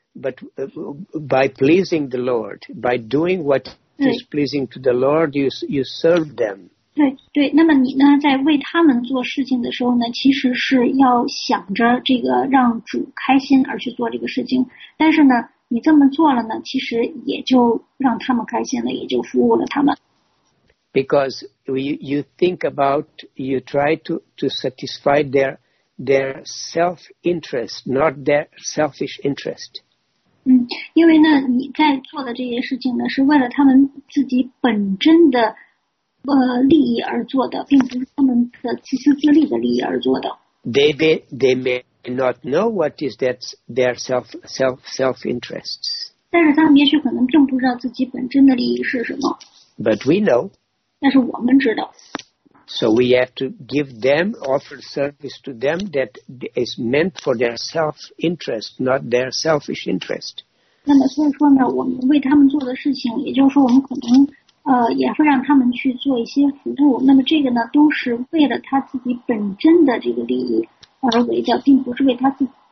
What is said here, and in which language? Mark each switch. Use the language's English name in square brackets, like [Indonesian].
[English] But by pleasing the Lord, by doing what is pleasing to the Lord, you serve them. [Chinese] 对，那么你呢，在为他们做事情的时候呢，其实是要想着这个让主开心而去做这个事情。但是呢，你这么做了呢，其实也就让他们开心了，也就服务了他们。 [English] Because you think about, you try to satisfy their self-interest, not their selfish interest. [Chinese] 因为呢，你在做的这些事情呢，是为了他们自己本真的利益而做的，并不是他们的自私自利的利益而做的。 [English] They may not know what is their self-interests. [Chinese] 但是他们也许可能并不知道自己本真的利益是什么。 [English] But we know. [Chinese] 但是我们知道。 [English] So we have to give them, offer service to them that is meant for their self-interest, not their selfish interest. [Chinese] 那么所以说呢，我们为他们做的事情，也就是说我们可能也会让他们去做一些服务。那么这个呢，都是为了他自己本真的这个利益而为的，并不是为他自己。